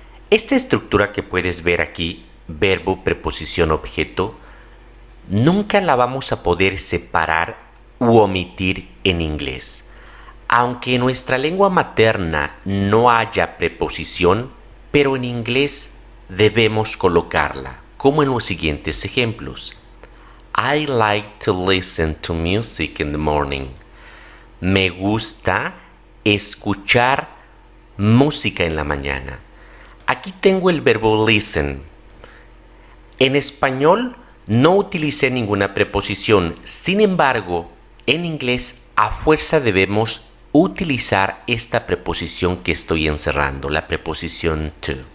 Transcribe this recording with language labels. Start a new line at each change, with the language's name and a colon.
Spanish: Esta estructura que puedes ver aquí, verbo, preposición, objeto, nunca la vamos a poder separar u omitir en inglés. Aunque en nuestra lengua materna no haya preposición, pero en inglés debemos colocarla, como en los siguientes ejemplos.
English: I like to listen to music in the morning.
Spanish: Me gusta escuchar música en la mañana. Aquí tengo el verbo listen. En español no utilicé ninguna preposición, sin embargo, en inglés a fuerza debemos utilizar esta preposición que estoy encerrando, la preposición to.